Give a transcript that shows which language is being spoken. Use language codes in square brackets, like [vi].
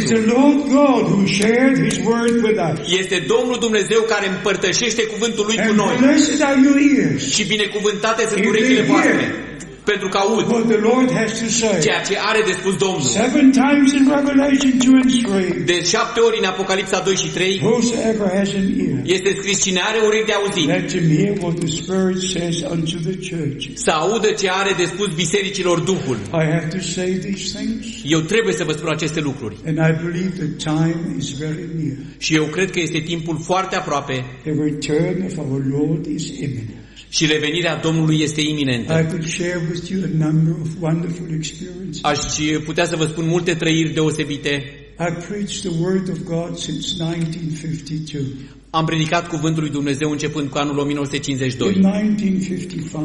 [en] It's the Lord God who shared his word with us. [ro] Este Domnul Dumnezeu care împărtășește cuvântul lui [en] and [ro] cu noi. [en] Blessed are your ears. [ro] Și binecuvântate sunt urechile voastre. Pentru că aud [en] what the Lord has to say. [ro] Ceea ce are de spus Domnul. [en] 7 times in Revelation 2 and 3. [ro] De 7 ori în Apocalipsa 2 și 3. [en] Whosoever has an ear. [ro] Este scris cine are urechi de auzit. [en] Let him hear what the Spirit says unto the church. [ro] Să audă ce are de spus bisericilor Duhul. [en] I have to say these things. [ro] Eu trebuie să vă spun aceste lucruri. [en] And I believe the time is very near. [ro] Și eu cred că este timpul foarte aproape. [en] The return of our Lord is imminent. [ro] Și revenirea Domnului este iminentă. [en] I could share with you a number of wonderful experiences. [ro] Aș putea să vă spun multe trăiri deosebite. [en] I preached the word of God since 1952. [ro] Am predicat cuvântul lui Dumnezeu începând cu anul 1952.